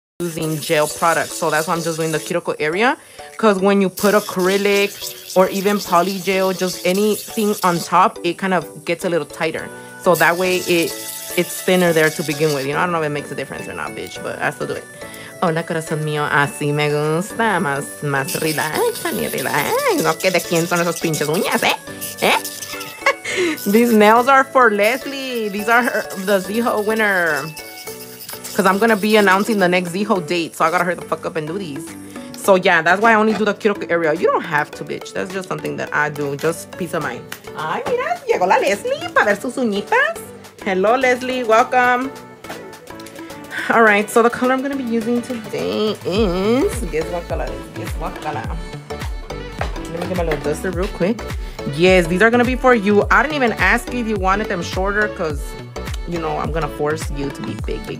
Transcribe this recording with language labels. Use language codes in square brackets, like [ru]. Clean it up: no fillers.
[en] Using gel products, so that's why I'm just doing the cuticle area, because when you put acrylic or even poly gel, just anything on top, it kind of gets a little tighter, so that way it's thinner there to begin with. You know, I don't know if it makes a difference or not, bitch, but I still do it. [es] Hola corazón mío, así me gusta, más relax, ni relax. No, que de quién son esas pinches uñas, eh? [en] These nails are for Leslie. These are the Zeeho winner, because I'm going to be announcing the next Zeeho date. So I got to hurry the fuck up and do these. So yeah, that's why I only do the cuticle area. You don't have to, bitch. That's just something that I do. Just peace of mind. [es] Ay, mira, llegó la Leslie para ver sus uñitas. [en] Hello, Leslie. Welcome. All right. So the color I'm going to be using today is... Guess what color. Let me get my little duster real quick. Yes, these are going to be for you. I didn't even ask you if you wanted them shorter, because... you know, I'm gonna force you to be big.